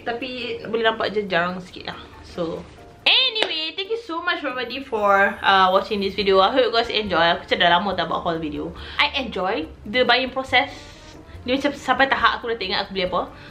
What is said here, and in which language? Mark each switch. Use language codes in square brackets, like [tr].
[ms] Tapi boleh nampak je jarang sikit lah. [en] So anyway, thank you so much everybody for watching this video. I hope you guys enjoy. [ms] Aku macam dah lama tak buat haul video. [en] I enjoy the buying process. [ms] Dia macam sampai tahap aku dah tak ingat aku beli apa.